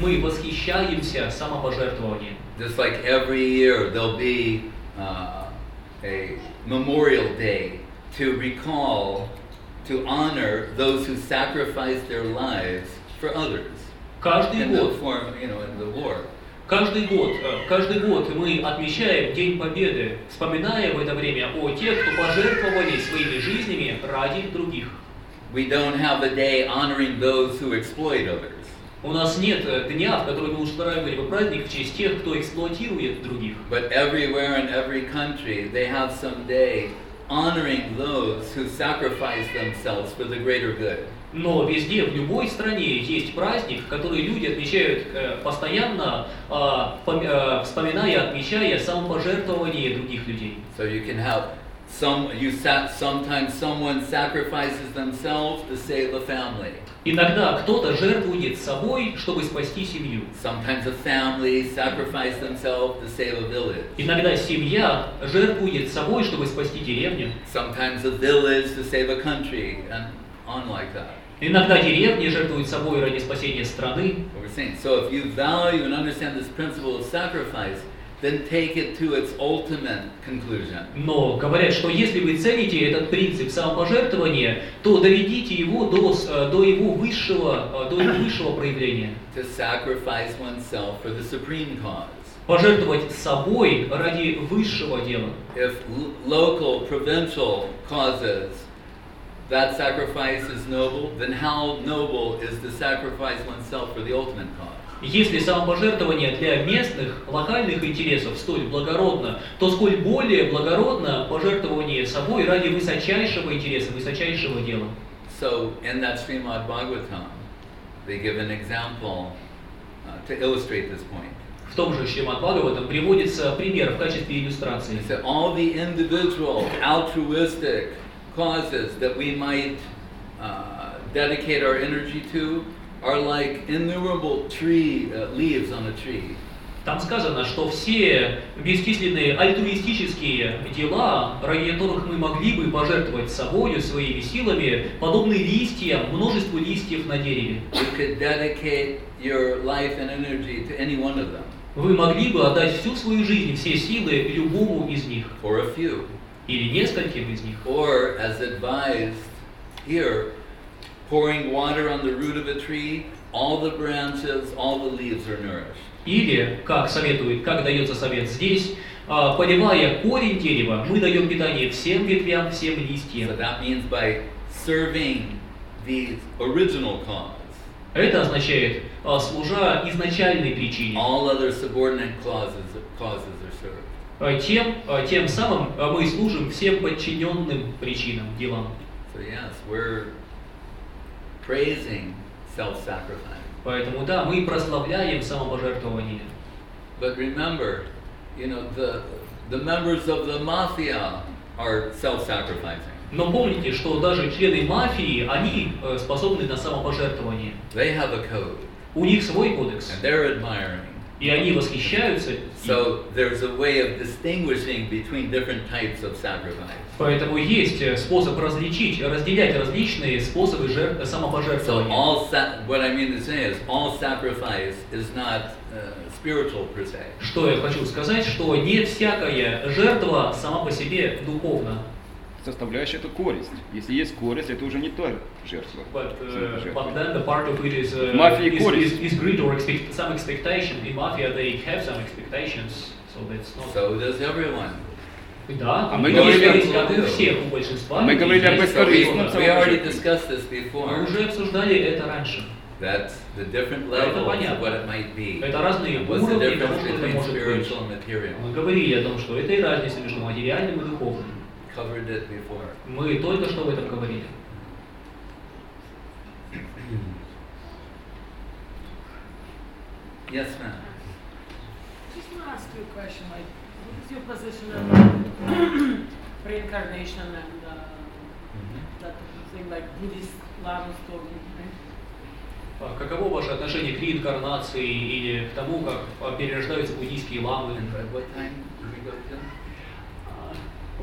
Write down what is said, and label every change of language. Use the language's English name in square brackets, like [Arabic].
[Russian] Мы восхищаемся самопожертвованием. [English] Just like every year there'll be a memorial day to recall, to honor those who sacrificed their lives for others. [Russian] Каждый год. [English] In the form, you know, in the war. [Russian] Каждый год мы отмечаем День Победы, вспоминая в это время о тех, кто пожертвовали своими жизнями ради других. [English] We don't have a day honoring those who exploit others. [Russian] У нас нет дня, в который мы устраивали бы праздник в честь тех, кто эксплуатирует других. [English] But everywhere in every country they have some day honoring those who sacrifice themselves for the greater good. [Russian] Но везде, в любой стране, есть праздник, который люди отмечают постоянно, вспоминая, отмечая самопожертвование других людей. [English] So you can help. Sometimes someone sacrifices themselves to save a family. [Russian] Иногда кто-то жертвует собой, чтобы спасти семью. [English] Sometimes a family sacrifices themselves to save a village. [Russian] Иногда семья жертвует собой, чтобы спасти деревню. [English] Sometimes a village to save a country, and on like that. [Russian] Иногда деревни жертвуют собой ради спасения страны. [English] So if you value and understand this principle of sacrifice, then take it to its ultimate conclusion. [Russian] Но говорят, что если вы цените этот принцип самопожертвования, то доведите его до его высшего проявления. [English] To sacrifice oneself for the supreme cause. [Russian] Пожертвовать собой ради высшего дела. [English] If local, provincial causes, that sacrifice is noble, then how noble is to sacrifice oneself for the ultimate cause? [Russian] Если самопожертвование для местных, локальных интересов столь благородно, то сколь более благородно пожертвование собой ради высочайшего интереса, высочайшего дела. [English] So, in that Srimad Bhagavatam, they give an example to illustrate this point. [Russian] В том же Шримад Бхагаватам приводится пример в качестве иллюстрации. [English] So, all the individual, altruistic causes that we might dedicate our energy to are like innumerable tree leaves on a tree. [Russian] Там сказано, что все бесчисленные альтруистические дела, ради которых мы могли бы пожертвовать собою, своими силами, подобны листьям, множеству листьев на дереве. [English] You could dedicate your life and energy to any one of them. [Russian] Вы могли бы отдать всю свою жизнь, все силы любому из них. [English] Or a few. [Russian] Или нескольким из них. [English] Or, as advised here, pouring water on the root of a tree, all the branches, all the leaves are nourished. [Russian] Или, как дается совет здесь, поливая корень дерева, мы даем питание всем ветвям, всем листьям. [English] So that means by serving the original cause. [Russian] Это означает, служа изначальной причине. [English] All other subordinate causes are served. [Russian] Тем самым мы служим всем подчиненным причинам, делам. [English] So yes, we're praising self-sacrifice. [Russian] Поэтому да, мы прославляем самопожертвование. [English] But remember, you know, the members of the mafia are self-sacrificing. [Russian] Но помните, что даже члены мафии, они способны на самопожертвование. [English] They have a code. [Russian] У них свой кодекс. [English] And they're admiring. [Russian] И они восхищаются. [English] So there's a way of distinguishing between different types of sacrifice. [Russian] Поэтому есть способ разделять различные способы самопожертвования. [English] So all what I mean to say is all sacrifice is not spiritual per se. [Russian] Что я хочу сказать, что не всякая жертва сама по себе духовна. Составляющая — это користь. Если есть користь, это уже не та жертва. [English] But then the part of it is greed or some expectation. In mafia they have some expectations, so that's not. So does everyone. [Russian] Да, мы говорили об этом. Всех, у большинства. Мы говорили об этом. [English] We already discussed this before. [Russian] Мы уже обсуждали это раньше. [English] That's the different levels of what it might be. [Russian] Это разные уровни того, что это может быть. Мы говорили о том, что это и разница между материальным и духовным. [English] Covered it before. [Russian] Мы только что об этом говорили. [English] Yes, ma'am. Just want to ask you a question. Like, what is your position on reincarnation and that thing like Buddhist Lama's talking, right? [Russian] Каково ваше отношение к реинкарнации или к тому, как перерождаются буддийские ламы? [English] And by what time do we go to?